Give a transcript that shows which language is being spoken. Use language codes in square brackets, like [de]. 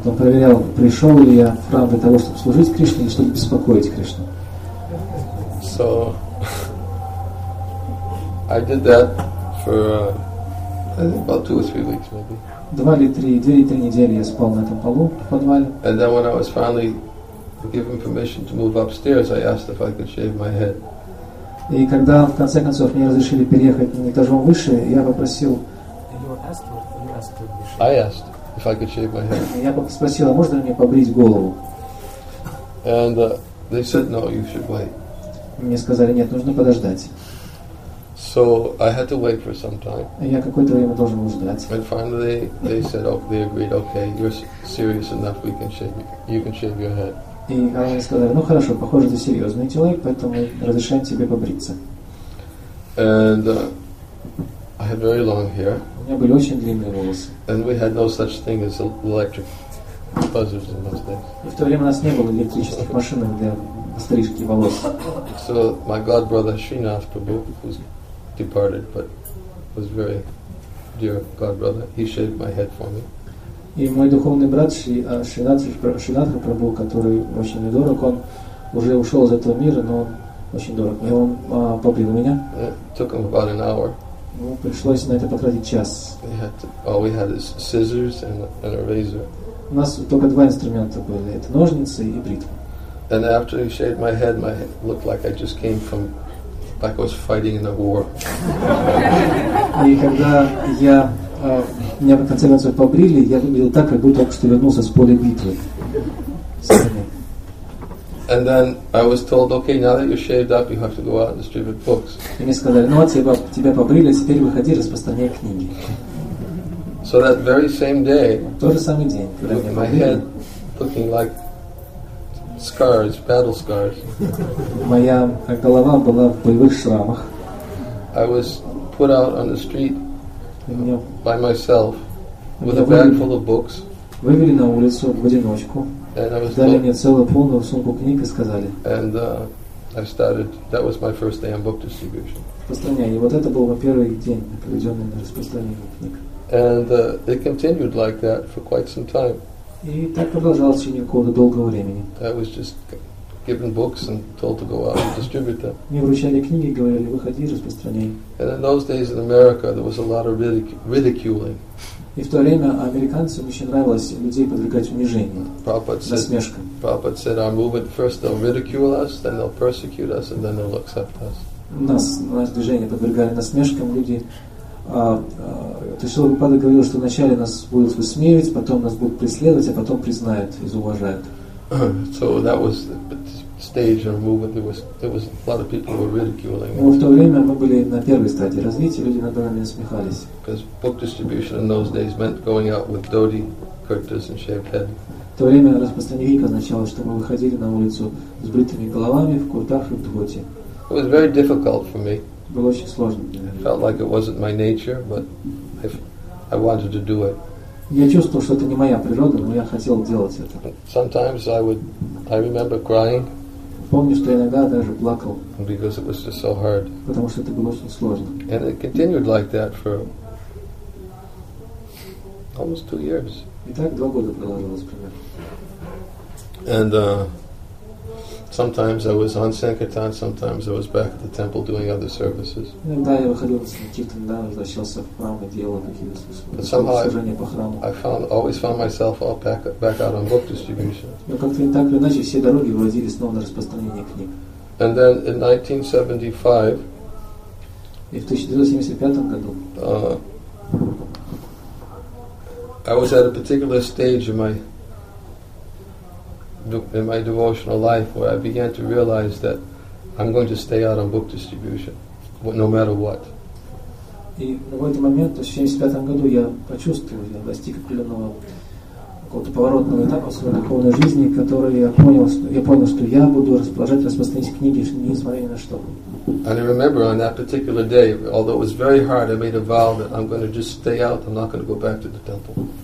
[ru] Он проверял, пришел ли я в храм для того, чтобы служить Кришне или чтобы беспокоить Кришну. [en] So I did that for I think about 2 or 3 weeks maybe. [ru] Две или три недели я спал на этом полу в подвале. [en] And then when I was finally given permission to move upstairs, I asked if I could shave my head. [ru] И когда в конце концов мне разрешили переехать на этажом выше, я попросил. [en] I asked if I could shave my head. [ru] Я спросил, а можно ли мне побрить голову? [en] And they said no, you should wait. [ru] Мне сказали нет, нужно подождать. [en] So I had to wait for some time. [ru] Я какое-то время должен был ждать. [en] And finally they said, oh, they agreed, okay, you're serious enough, we can shave you. You can shave your head. [ru] И они сказали, ну хорошо, похоже, ты серьезный человек, поэтому мы разрешаем тебе побриться. [en] And I had very long hair. [ru] У меня были очень длинные волосы. [en] And we had no such thing as electric buzzers in those days. [ru] И в то время у нас не было электрических машин для стрижки волос. [en] So my godbrother Srinath Prabhu, who's departed, but was very dear godbrother, he shaved my head for me. [ru] И мой духовный брат Шринатха Прабху, который очень недорог, он уже ушел из этого мира, но он очень дорог. И он побрил меня. [en] It took him about an hour. [ru] Ну, пришлось на это потратить час. [en] All we had is scissors and a razor. [ru] У нас только два инструмента были. Это ножницы и бритва. [en] And after he shaved my head looked like I just came from, like I was fighting in a war. [ru] И когда я... меня в конце концов побрили, я выглядел так, как будто только что вернулся с поля битвы. [en] And then I was told, okay, now that you're shaved up, you have to go out and distribute books. [ru] И мне сказали, ну а тебя побрили, теперь выходи, распространяй книги. [en] So that very same day, [ru] тот же самый день, когда [en] my [ru] побрили, [en] head looking like scars, battle scars. [ru] Моя голова была в боевых шрамах. [en] I was put out on the street. By myself, with a bag full of books. [ru] Вывели на улицу в одиночку. [en] And I was [ru] дали мне целую полную сумку книг и сказали. [en] And I started. That was my first day on book distribution. [ru] Распространение. Вот это был мой первый день, проведенный на распространении книг. [en] And it continued like that for quite some time. [ru] И так продолжалось в течение какого-то долгого времени. [en] I was just given books and told to go out and distribute them. [ru] Мне вручали книги и говорили, выходи, распространяй. [en] And in those days in America, there was a lot of ridiculing. [ru] И в то время американцам очень нравилось людей подвергать унижению, насмешкам. [en] Prabhupada said, our movement, first they'll ridicule us, then they'll persecute us, and then they'll accept us. [ru] Наше движение подвергали насмешкам люди. То есть Прабхупада говорил, что вначале нас будут высмеивать, потом нас будут преследовать, а потом признают и уважают. [en] So that was the stage of movement. There was a lot of people who were ridiculing. [ru] Но в то время мы были на первой стадии развития, люди над нами смеялись. [en] Because book distribution in those days meant going out with dhoti, kurtas, and shaved head. [ru] В то время распространение означало, что мы выходили на улицу с бритыми головами, в куртах и в дхоти. [en] It was very difficult for me. [ru] Было очень сложно для меня. [en] Felt like it wasn't my nature, but I wanted to do it. [ru] Я чувствовал, что это не моя природа, но я хотел делать это. [en] Sometimes I remember crying. [ru] Помню, что иногда даже плакал. [en] Because it was just so hard. [ru] Потому что это было очень сложно. [en] And it continued like that for almost 2 years. [ru] И так 2 года продолжалось примерно. [en] And sometimes I was on Sankirtan, sometimes I was back at the temple doing other services. But somehow I always found myself all back out on book distribution. And then in 1975, [ru] И в 1975 году. [en] I was at a particular stage in my devotional life where I began to realize that I'm going to stay out on book distribution, no matter what. [ru] И в этот момент, в 1975 году, я почувствовал, я достиг определенного какого-то поворотного этапа в своей духовной жизни, который я понял, что я буду расположить, распространять книги, несмотря ни на что. [en] And I remember on that particular day, although it was very hard, I made a vow that I'm going to just stay out, I'm not going to go back to the temple.